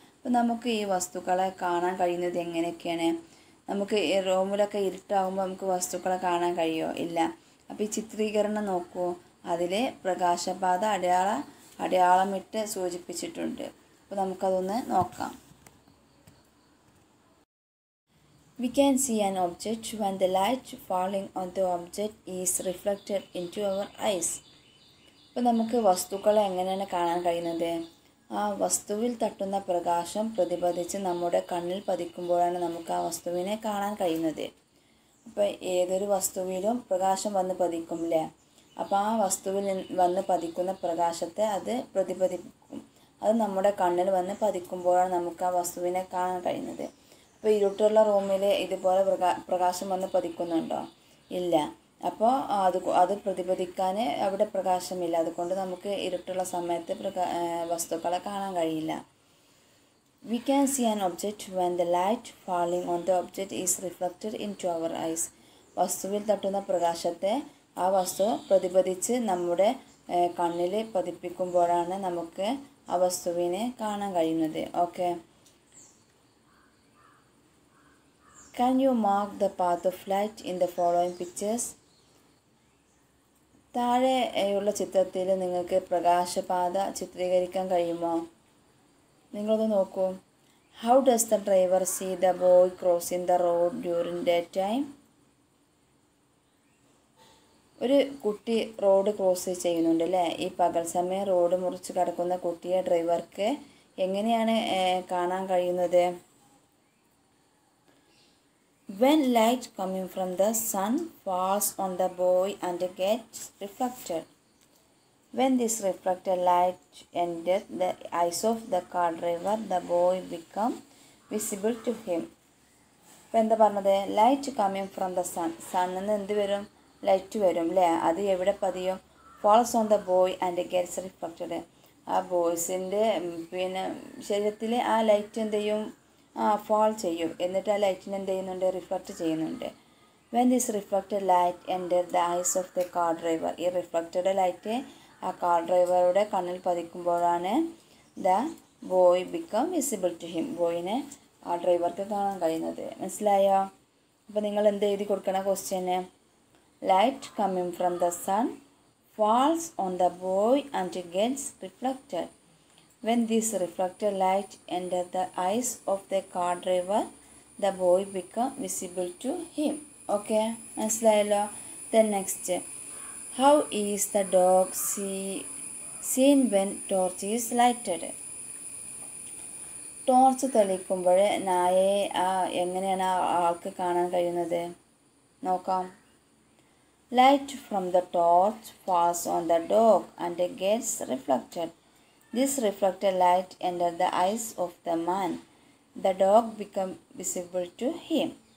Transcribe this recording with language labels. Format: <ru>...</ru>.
<ml>അപ്പോൾ നമുക്ക് ഈ വസ്തുക്കളെ കാണാൻ കഴിയുന്നത് എങ്ങനെയൊക്കെയാണ്? നമുക്ക് ഈ റൂമിലൊക്കെ ഇരുട്ടാകുമ്പോൾ നമുക്ക് വസ്തുക്കളെ കാണാൻ കഴിയുമോ? ഇല്ല. അപ്പോൾ ഈ ചിത്രീകരണം നോക്കൂ, അതിൽ പ്രകാശപാത അടയാളമിട്ട് സൂചിപ്പിച്ചിട്ടുണ്ട്. അപ്പോൾ നമുക്കതൊന്ന് നോക്കാം.</ml> <en>We can see an object when the light falling on the object is reflected into our eyes.</en> <ml>ഇപ്പോൾ നമുക്ക് വസ്തുക്കളെ എങ്ങനെയാണ് കാണാൻ കഴിയുന്നത്? ആ വസ്തുവിൽ തട്ടുന്ന പ്രകാശം പ്രതിഫലിച്ച് നമ്മുടെ കണ്ണിൽ പതിക്കുമ്പോഴാണ് നമുക്ക് ആ വസ്തുവിനെ കാണാൻ കഴിയുന്നത്. അപ്പോൾ ഏതൊരു വസ്തുവിലും പ്രകാശം വന്ന് പതിക്കും അല്ലേ? അപ്പോൾ ആ വസ്തുവിൽ വന്ന് പതിക്കുന്ന പ്രകാശത്തെ അത് പ്രതിഫലിപ്പിക്കും. അത് നമ്മുടെ കണ്ണിൽ വന്ന് പതിക്കുമ്പോഴാണ് നമുക്ക് ആ വസ്തുവിനെ കാണാൻ കഴിയുന്നത്. അപ്പോൾ ഇരുട്ടുള്ള റൂമിൽ ഇതുപോലെ പ്രകാശം വന്ന് പതിക്കുന്നുണ്ടോ? ഇല്ല. അപ്പോൾ അത് പ്രതിഫലിക്കാൻ അവിടെ പ്രകാശമില്ല. അതുകൊണ്ട് നമുക്ക് ഇരുട്ടുള്ള സമയത്ത് വസ്തുക്കളെ കാണാൻ കഴിയില്ല.</ml> <en>We can see an object when the light falling on the object is reflected into our eyes.</en> <ml>വസ്തുവിൽ തട്ടുന്ന പ്രകാശത്തെ ആ വസ്തു പ്രതിഫലിച്ച് നമ്മുടെ കണ്ണിൽ പതിപ്പിക്കുമ്പോഴാണ് നമുക്ക് ആ വസ്തുവിനെ കാണാൻ കഴിയുന്നത്. Okay.</ml> <en>Can you mark the path of light in the following pictures?</en> <ml>താഴെയുള്ള ചിത്രത്തിൽ നിങ്ങൾക്ക് പ്രകാശപാത ചിത്രീകരിക്കാൻ കഴിയുമോ? നിങ്ങളത് നോക്കൂ.</ml> <en>How does the driver see the boy crossing the road during day time?</en> <ml>ഒരു കുട്ടി റോഡ് ക്രോസ് ചെയ്യുന്നുണ്ട് അല്ലേ? ഈ പകൽ സമയം റോഡ് മുറിച്ച് കടക്കുന്ന കുട്ടിയെ ഡ്രൈവർക്ക് എങ്ങനെയാണ് കാണാൻ കഴിയുന്നത്?</ml> <en>When light coming from the sun falls on the boy and gets reflected. When this reflected light enters the eyes of the car driver, the boy becomes visible to him.</en> <ml>ഇപ്പോൾ എന്താ പറഞ്ഞത്?</ml> <en>Light coming from the sun.</en> <ml>സണ്ണിൽ നിന്ന് എന്ത് വരും? Light വരും അല്ലേ? അത് എവിടെ പതിയും?</ml> <en>Falls on the boy and gets reflected.</en> <ml>ആ ബോയ്സിൻ്റെ പിന്നെ ശരീരത്തിൽ ആ ലൈറ്റ് എന്ത് ചെയ്യും? ആ ഫോൾ ചെയ്യും. എന്നിട്ട് ആ ലൈറ്റിന് എന്ത് ചെയ്യുന്നുണ്ട്? റിഫ്ലക്റ്റ് ചെയ്യുന്നുണ്ട്.</ml> <en>When this reflected light enter the eyes of the car driver.</en> <ml>ഈ റിഫ്ലക്റ്റഡ് ലൈറ്റ് ആ കാർ ഡ്രൈവറുടെ കണ്ണിൽ പതിക്കുമ്പോഴാണ്</ml> <en>The boy become visible to him.</en> <ml>ബോയിനെ ആ ഡ്രൈവർക്ക് കാണാൻ കഴിയുന്നത്. മനസ്സിലായോ? അപ്പോൾ നിങ്ങൾ എന്ത് എഴുതി കൊടുക്കണം question?</ml> <en>Light coming from the sun falls on the boy and gets reflected. When this reflected light entered the eyes of the car driver, the boy became visible to him.</en> <ml>Okay, മനസ്സിലായല്ലോ.</ml> <en>Then next, how is the dog seen when torch is lighted?</en> <ml>Torch തെളിയിക്കുമ്പോൾ നായയെ എങ്ങനെയാണ് ആൾക്ക് കാണാൻ കഴിയുന്നത്? നോക്കാം.</ml> <en>Light from the torch falls on the dog and gets reflected. This reflected light entered the eyes of the man. The dog became visible to him.</en>